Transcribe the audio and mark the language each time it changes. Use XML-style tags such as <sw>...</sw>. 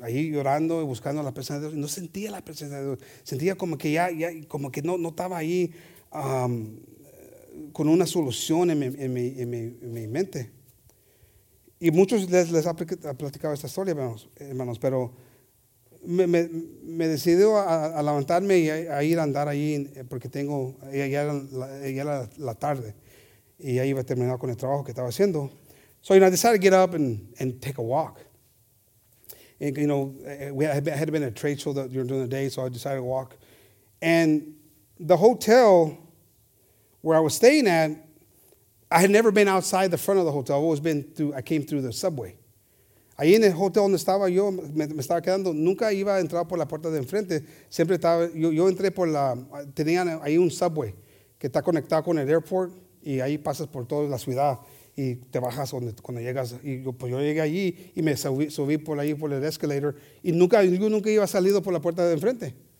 <es>Ahí llorando y buscando la presencia de Dios. No sentía la presencia de Dios. Sentía como que ya como que no estaba ahí con una solución en mi mente. Y muchos les ha platicado esta historia, hermanos, pero me decidí a levantarme y a ir a andar allí porque tengo, ya era la tarde y ya iba a terminar con el trabajo que estaba haciendo.</es> <en>So, you know, I decided to get up and take a walk. And, you know, I had been at a trade show during the day, so I decided to walk. And the hotel where I was staying at, I had never been outside the front of the hotel. I've always been through, I came through the subway.</en> <es>Ahí en el hotel donde estaba yo, me estaba quedando, nunca iba a entrar por la puerta de enfrente. Siempre estaba, yo entré por la, tenían ahí un subway que está conectado con el airport y ahí pasas por toda la ciudad y te bajas donde, cuando llegas. Y yo, pues yo llegué allí y me subí por ahí por el escalator y nunca, yo nunca iba a salir por la puerta de enfrente.</es>